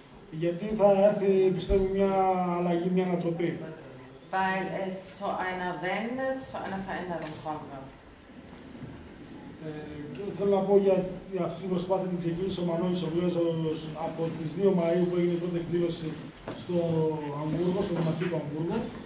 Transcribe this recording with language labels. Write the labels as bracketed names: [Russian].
[Greek] Γιατί θα έρθει, πιστεύω, μια αλλαγή, μια ανατροπή. [German] Weil es zu einer Wende, zu einer Veränderung kommt. [Greek] Και θέλω να πω για αυτή την προσπάθεια την ξεκίνησε ο Μανώλης ο Βλέζος από τις 2 Μαΐου που έγινε τότε εκδήλωση στο Αμβούργο, στο Δημαρχείο του Αμβούργου.